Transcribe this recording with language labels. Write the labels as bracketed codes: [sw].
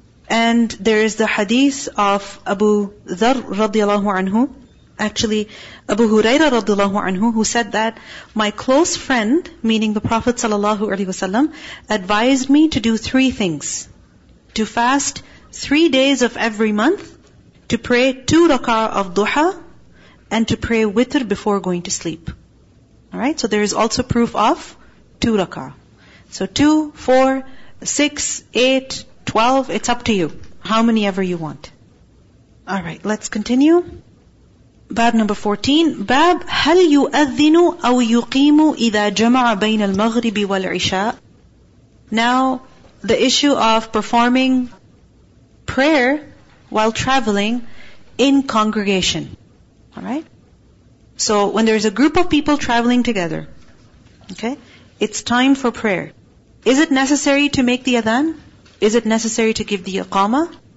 [en] And there is the hadith of Abu Dharr radiallahu anhu, actually Abu Huraira radiallahu anhu, who said that my close friend, meaning the Prophet sallallahu alaihi wasallam, advised me to do three things: to fast 3 days of every month, to pray two rak'ah of duha, and to pray witr before going to sleep. All right, so there is also proof of two rak'ah. So 2, 4, 6, 8, 12, it's up to you, how many ever you want. All right, let's continue. Bab number 14. [ar] Bab, هل يؤذن أو يقيم إذا جمع بين المغرب والعشاء. [en] Now, the issue of performing prayer while traveling in congregation. All right. So, when there is a group of people traveling together, okay, it's time for prayer. Is it necessary to make the adhan? Is it necessary to give the iqamah?